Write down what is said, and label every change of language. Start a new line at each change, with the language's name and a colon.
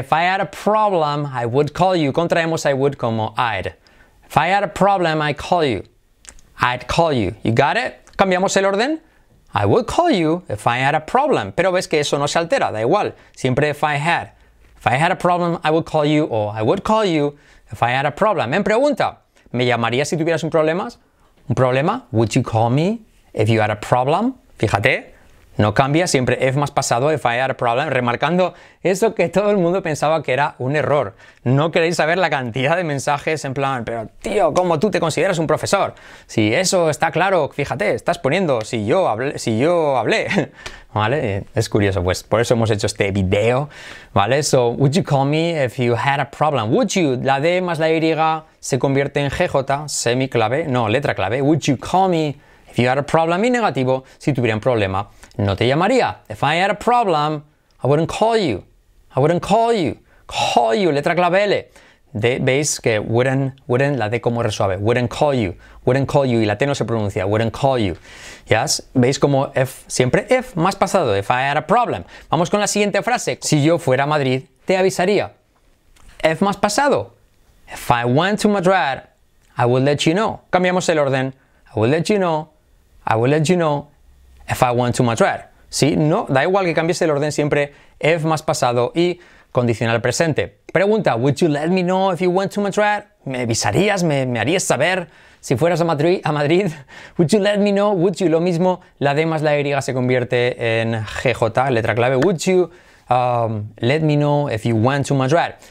English: If I had a problem, I would call you. Contraemos I would como I'd. If I had a problem, I'd call you. I'd call you. You got it?
Spanish: Cambiamos el orden.
English: I would call you if I had a problem.
Spanish: Pero ves que eso no se altera, da igual.
English: Siempre if I had. If I had a problem, I would call you, or I would call you if I had a problem.
Spanish: En pregunta, ¿me llamarías si tuvieras un problema? ¿Un problema?
English: Would you call me if you had a problem?
Spanish: Fíjate, no cambia, siempre if más pasado, if I had a problem, remarcando eso que todo el mundo pensaba que era un error. No queréis saber la cantidad de mensajes en plan, pero tío, ¿cómo tú te consideras un profesor? Si eso está claro, fíjate, estás poniendo, si yo hablé. ¿Vale? Es curioso, pues por eso hemos hecho este video, ¿vale?
English: So, would you call me if you had a problem?
Spanish: Would you, la D más la Y se convierte en GJ, semiclave, no, letra clave.
English: Would you call me if you had a problem?
Spanish: Y negativo, si tuviera un problema, no te llamaría.
English: If I had a problem, I wouldn't call you. I wouldn't call you.
Spanish: Call you, letra clave L. D, veis que wouldn't, la D como resuave. Wouldn't call you.
English: Wouldn't call you.
Spanish: Y la T no se pronuncia.
English: Wouldn't call you. ¿Yes?
Spanish: Veis como if, siempre if, más pasado.
English: If I had a problem.
Spanish: Vamos con la siguiente frase. Si yo fuera a Madrid, te avisaría. If más pasado.
English: If I went to Madrid, I would let you know.
Spanish: Cambiamos el orden.
English: I would let you know. I would let you know. If I went to Madrid.
Spanish: ¿Sí? No, da igual que cambies el orden siempre. If más pasado. Y condicional presente. Pregunta,
English: would you let me know if you went to Madrid?
Spanish: ¿Me avisarías? ¿Me harías saber si fueras a Madrid?
English: Would you let me know?
Spanish: Would you, lo mismo, la D más la Y se convierte en GJ, letra clave.
English: Would you let me know if you went to Madrid?